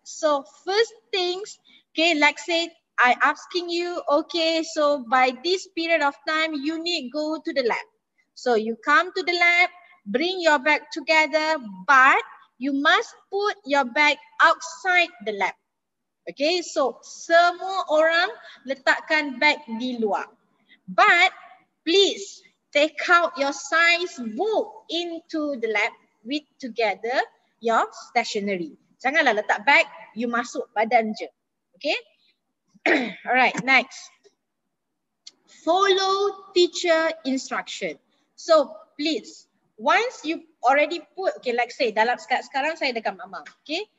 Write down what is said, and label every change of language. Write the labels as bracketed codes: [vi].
[en] So first things, okay, like say, I asking you, okay, so by this period of time, you need go to the lab. So you come to the lab, bring your bag together, but you must put your bag outside the lab. [ms] Okay, so semua orang letakkan bag di luar. [en] But please take out your science book into the lab with together your stationery. [ms] Janganlah letak bag, you masuk badan je. [en] Okay? Alright, next. Follow teacher instruction. So please, once you already put, okay, like say, [ms] dalam sekarang saya dekat mama. [en] Okay?